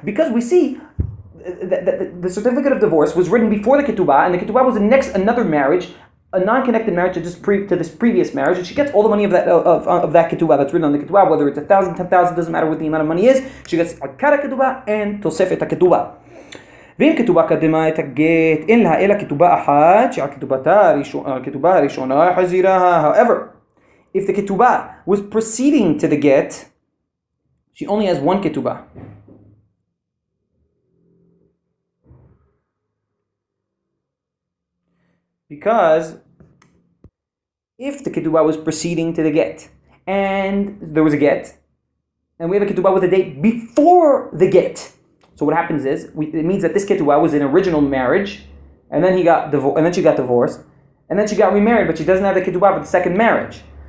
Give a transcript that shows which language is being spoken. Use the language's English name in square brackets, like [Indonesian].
[English] Because we see that the certificate of divorce was written before the ketubah, and the ketubah was the next, another marriage, a non-connected marriage to this previous marriage, and she gets all the money of that ketubah that's written on the ketubah, whether it's 1,000, 10,000, doesn't matter what the amount of money is, she gets akara ketubah and tosefet ha-ketubah. [Hebrew] ואם כתובה קדמה את הגט, אין לה אלא כתובה אחת, שהכתובה הראשונה חזירה. [English] However, if the ketubah was preceding to the get, she only has one ketubah. Because if the ketubah was preceding to the get, and there was a get, and we have a ketubah with a date before the get, so what happens is, it means that this ketubah was an original marriage, and then she got divorced, and then she got remarried, but she doesn't have the ketubah for the second marriage.